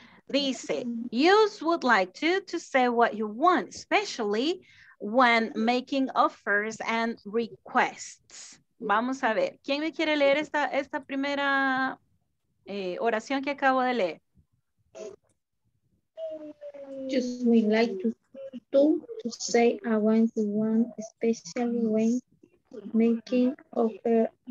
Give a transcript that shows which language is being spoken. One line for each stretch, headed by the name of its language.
Spanish: Dice,
English: use would like to say what you want, especially when making offers and requests.
Spanish: Vamos a ver. ¿Quién me quiere leer esta primera oración que acabo de leer?
English: Just would like to say I want to one, especially when making offer.